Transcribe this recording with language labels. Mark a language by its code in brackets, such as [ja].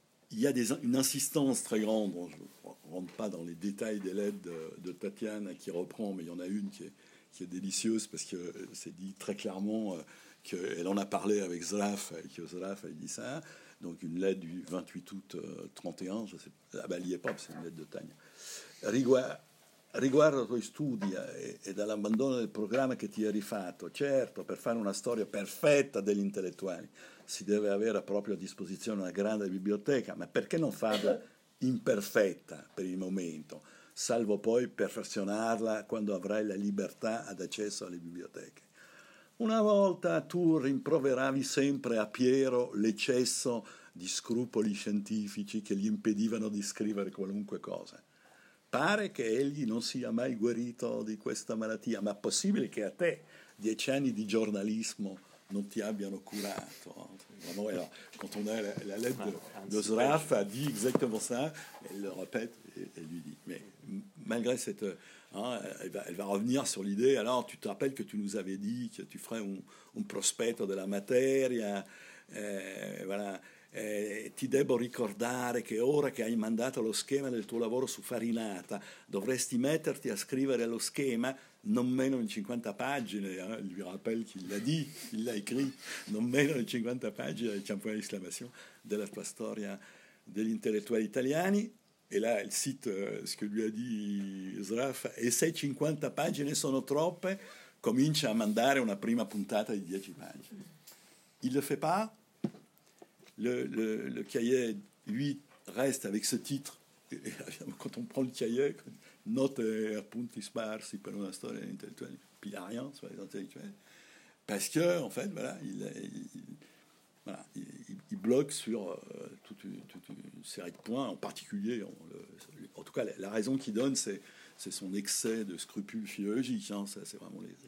[fr] Il y a une insistance très grande, bon, je ne rentre pas dans les détails des lettres de Tatiana qui reprend, mais il y en a une qui est délicieuse parce que c'est dit très clairement qu'elle en a parlé avec Zlaff, et que Zlaff a dit ça. Donc une lettre du 28 août 31, je sais pas, elle n'y est pas, c'est une lettre de Tania. [it] Riguardo ai tuoi studi e dall'abbandono del programma che ti eri fatto, certo, per fare una storia perfetta degli intellettuali si deve avere a propria disposizione una grande biblioteca, ma perché non farla imperfetta per il momento, salvo poi perfezionarla quando avrai la libertà ad accesso alle biblioteche? Una volta tu rimproveravi sempre a Piero l'eccesso di scrupoli scientifici che gli impedivano di scrivere qualunque cosa. Pare che egli non sia mai guarito di questa malattia, ma è possibile che a te 10 anni di giornalismo non ti abbiano curato? [fr] Quand on a la lettre de Zraff, a dit exactement ça, elle le répète et lui dit. Mais malgré cette. Hein, elle va revenir sur l'idée. Alors, tu te rappelles que tu nous avais dit que tu ferais un [it] prospetto della materia, [fr] voilà. [it] Ti devo ricordare che ora che hai mandato lo schema del tuo lavoro su Farinata dovresti metterti a scrivere lo schema non meno di 50 pagine, hein? [fr] Lui rappelle qu'il l'a dit, il l'a écrit, [it] non meno di 50 pagine, [fr] c'è un point d'exclamation, [it] della tua storia degli intellettuali italiani, [fr] e là il cite ce [it] che lui ha di Sraf, e se 50 pagine sono troppe, comincia a mandare una prima puntata di 10 pagine. [fr] Il le fait pas, le cahier, lui, reste avec ce titre, et quand on prend le cahier, note e appunti sparsi per una storia intellettuale, puis il n'y a rien sur les intellectuels, parce que, en fait, voilà, il bloque sur toute une série de points, en particulier, en tout cas, la raison qu'il donne, c'est son excès de scrupules philologiques, hein, ça, c'est vraiment